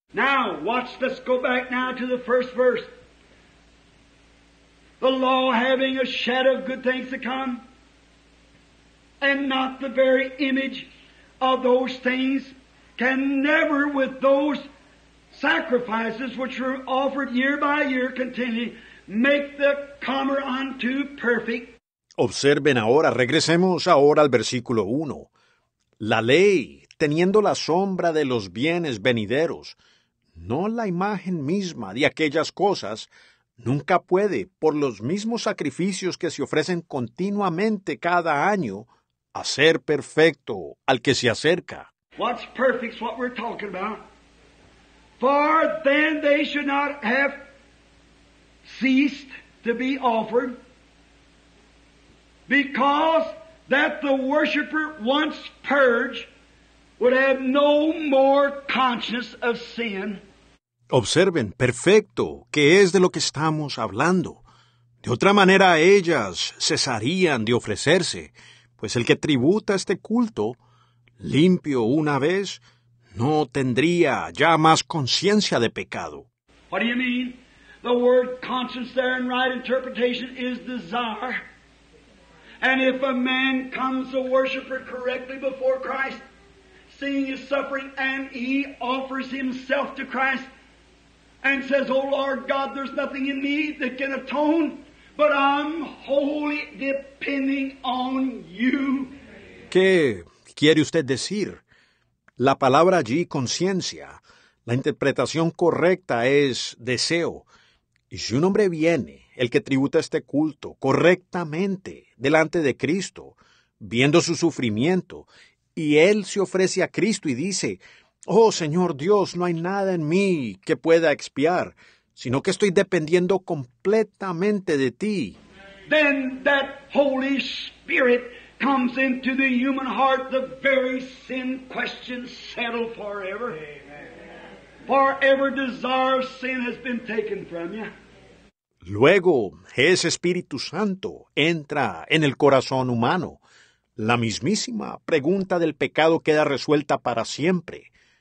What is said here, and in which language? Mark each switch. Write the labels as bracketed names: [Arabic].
[English] Now, watch, let's go back now to the first verse. The law having a shadow of good things to come, and not the very image of those things, can never with those sacrifices which were offered year by year continually make the comer unto perfect. [Spanish] Observen ahora, regresemos ahora al versículo 1. La ley, teniendo la sombra de los bienes venideros, no la imagen misma de aquellas cosas, nunca puede, por los mismos sacrificios que se ofrecen continuamente cada año, hacer perfecto al que se acerca. [English] What's perfect's what we're talking about. For then they should not have ceased to be offered, because that the worshiper once purged would have no more conscience of sin. [Spanish] Observen, perfecto, que es de lo que estamos hablando. De otra manera, ellas cesarían de ofrecerse, pues el que tributa este culto, limpio una vez, no tendría ya más conciencia de pecado. [English] What do you mean? The word conscience there in right interpretation is desire. And if a man comes a worshiper correctly before Christ, seeing his suffering, and he offers himself to Christ, and says, O Lord God, there's nothing in me that can atone, but I'm wholly depending on you. [Spanish] ¿Qué quiere usted decir? La palabra allí, conciencia, la interpretación correcta es deseo. Y si un hombre viene, el que tributa este culto correctamente delante de Cristo, viendo su sufrimiento, y él se ofrece a Cristo y dice, oh, Señor Dios, no hay nada en mí que pueda expiar, sino que estoy dependiendo completamente de ti. [English] Then that Holy Spirit comes into the human heart, the very sin question settled forever. Forever desire of sin has been taken from you. [Spanish] Luego, ese Espíritu Santo entra en el corazón humano. La mismísima pregunta del pecado queda resuelta para siempre.